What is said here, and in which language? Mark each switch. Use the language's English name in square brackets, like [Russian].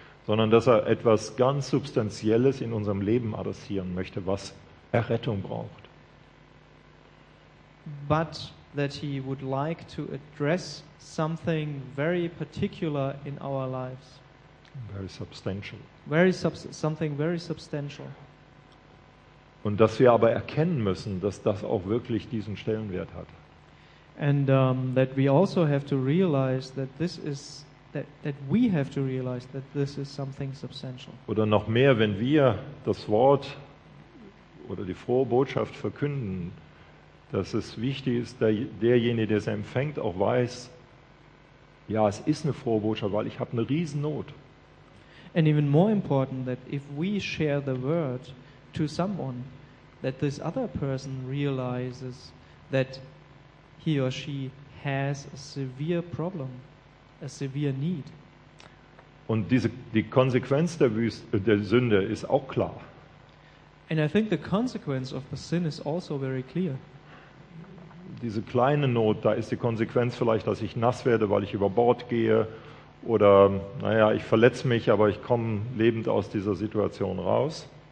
[German] sondern dass er etwas ganz Substanzielles in unserem Leben adressieren möchte, was Errettung braucht. [English] But that he would like to address something very particular in our lives. Very substantial. Something very substantial. [German] Und dass wir aber erkennen müssen, dass das auch wirklich diesen Stellenwert hat. [English] And that we also have to realize that this is that we have to realize that this is something substantial. [German] Oder noch mehr, wenn wir das Wort oder die frohe Botschaft verkünden, dass es wichtig ist, derjenige, der es empfängt, auch weiß, ja, es ist eine frohe Botschaft, weil ich habe eine Riesennot. [English] And even more important that if we share the word to someone, that this other person realizes that he or she has a severe problem, a severe need. [German] Und die Konsequenz der Sünde ist auch klar. [English] And I think the consequence of the sin is also very clear. [German] diese kleine Not, da ist die Konsequenz vielleicht, dass ich nass werde, weil ich über Bord gehe. Oder, naja, ich verletze mich, aber ich komme lebend aus dieser Situation raus.